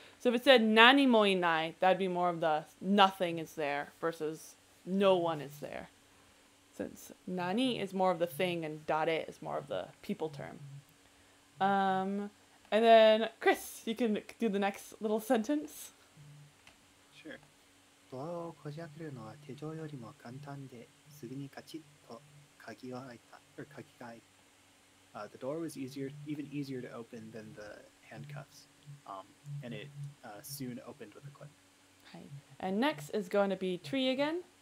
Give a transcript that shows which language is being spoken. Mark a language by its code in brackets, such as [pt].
[en] So if it said [ja] 何もいない, [en] that'd be more of the nothing is there versus no one is there. Since 何 is more of the thing and 誰 is more of the people term. And then, Chris, you can do the next little sentence. Sure. [ja] ドアをこじ開けるのは手錠よりも簡単で、すぐにカチッと鍵が開いた、or 鍵が開いた。 [en] The door was easier, even easier to open than the handcuffs, and it soon opened with a click. Hi. And next is going to be tree again.